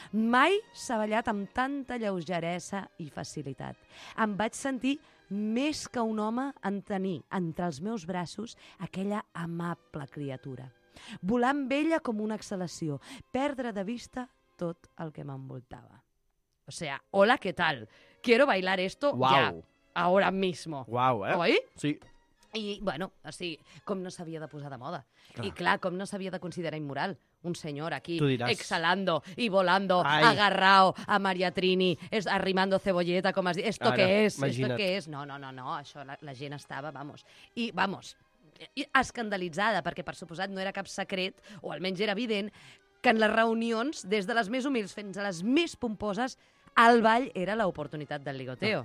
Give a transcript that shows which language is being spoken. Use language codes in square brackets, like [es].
[ca] Mai s'ha ballat amb tanta lleugeresa i facilitat. Em vaig sentir més que un home en tenir entre els meus braços aquella amable criatura. Volar amb ella com una exhalació, perdre de vista tot el que m'envoltava. [es] O sea, hola, ¿qué tal? Quiero bailar esto ya, ahora mismo. Uau, [ca] Oi? Sí. I, bueno, o sigui, com no s'havia de posar de moda. Clar. I, clar, com no s'havia de considerar immoral un senyor aquí [es] exhalando i volando, agarrao a Maria Trini, arrimando Cebolleta, [ca] com es diu. [es] ¿Esto qué es? [ca] Imagina't. No, això la gent estava, vamos. I, vamos, escandalitzada, perquè per suposat no era cap secret, o almenys era evident, que en les reunions, des de les més humils fins a les més pomposes, el ball era l'oportunitat del ligoteo.